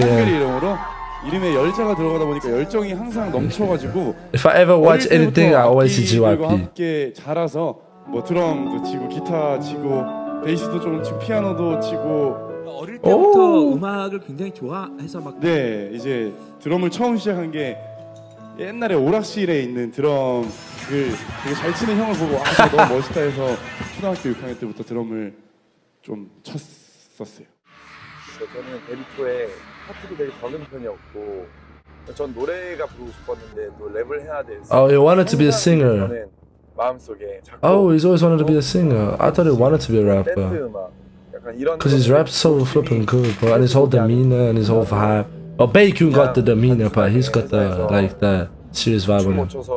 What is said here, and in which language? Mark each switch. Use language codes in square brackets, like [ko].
[ko] 한글 이름으로 이름에 열자가 들어가다 보니까 열정이 항상 넘쳐가지고 [en] If I ever watch anything, I always see JYP. [ko] 함께 자라서 뭐 드럼도 치고 기타 치고 베이스도 좀 치고 피아노도 치고 어릴 때부터 오! 음악을 굉장히 좋아해서 막 네 이제 드럼을 처음 시작한 게 옛날에 오락실에 있는 드럼을 되게 잘 치는 형을 보고 아 너무 멋있다 해서 초등학교 6학년 때부터 드럼을 좀 쳤었어요. 저는 데뷔 초에 파트도 되게 적은 편이었고 전 노래가 부르고 싶었는데 또 랩을 해야 돼서 [en] Oh, you wanted to be a singer. [ko] 마음속에 [en] Oh, he's always wanted to be a singer. I thought he wanted to be a rapper. Cause his rap's so flipping good, bro. And his whole demeanor and his whole vibe. Well, Baekhyun got the demeanor, but he's got the like the serious vibe on him.